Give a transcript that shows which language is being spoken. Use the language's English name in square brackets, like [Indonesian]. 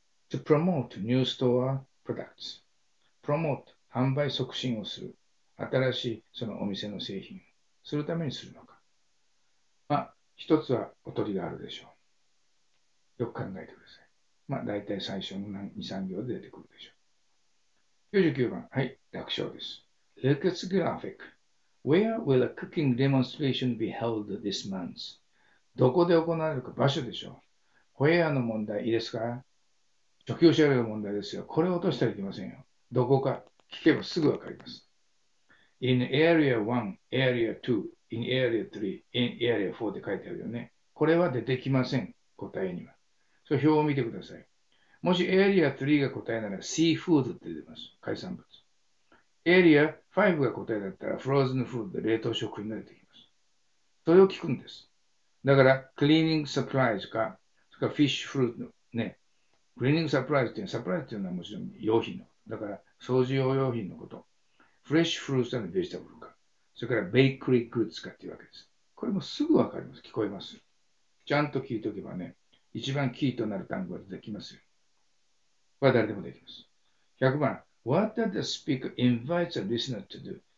[English] To promote new store products. [Japanese] promote 販売促進をする、新しいそのお店の製品をするためにするのか。まあ、一つはおとりがあるでしょう。よく考えてください。まあ、大体最初の2、3行で出てくるでしょう。 99番。はい、楽勝です。 [English] Look at the graphic. Where will a cooking demonstration be held this month? [Japanese] どこで行われるか、場所でしょう。Where の問題、いいですか？初級者の問題ですよ。これを落としたらいけませんよ。どこか聞けばすぐわかります。 [English] In area 1, area 2, in area 3, in area 4 [Japanese] って書いてあるよね。これは出てきません、答えには。そう、表を見てください。もし、エリア3が答えなら、シーフードって出ます。海産物。エリア5が答えだったら、フローズンフードで冷凍食品が出てきます。それを聞くんです。だから、クリーニングサプライズか、それからフィッシュフルーツね。クリーニングサプライズっていうのは、サプライズっていうのはもちろん、用品のこと。だから、掃除用用品のこと。フレッシュフルーツなのベジタブルか。それから、ベイクリーグッズかっていうわけです。これもすぐわかります。聞こえます。ちゃんと聞いとけばね、一番キーとなる単語ができますよ。これは誰でもできます。 100番。 [English] What does the speaker invite a listener to do?